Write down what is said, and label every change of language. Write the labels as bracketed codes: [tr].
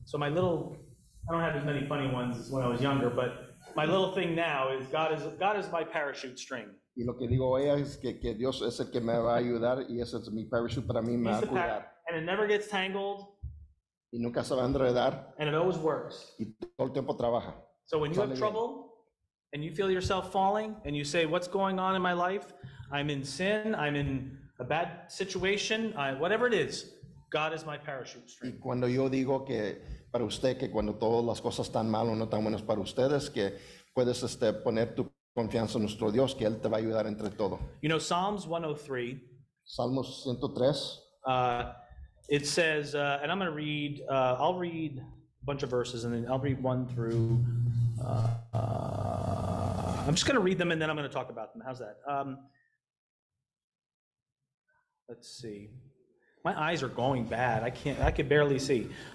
[en] So my little, I don't have as many funny ones as when I was younger, but my little thing now is God is my parachute string. [es] Y lo que digo hoy es que Dios es el que me va a ayudar y ese es mi parachute para mí, me va a cuidar. [en] And it never gets tangled. [es] Y nunca se va a enredar. [en] And it always works. [es] Y todo el tiempo trabaja. [en] So when you have trouble and you feel yourself falling and you say, what's going on in my life? I'm in sin. I'm in a bad situation. Whatever it is, God is my parachute string. [es] Y cuando yo digo que para usted, que cuando todas las cosas están mal o no tan buenas para ustedes, que puedes poner tu confianza en nuestro Dios, que Él te va a ayudar entre todo. [en] You know, Psalms 103. [es] Salmos 103. [en] It says, and I'm going to read, I'll read a bunch of verses, and then I'll read one through, I'm just going to read them, and then I'm going to talk about them. How's that? Let's see. My eyes are going bad. I can barely see.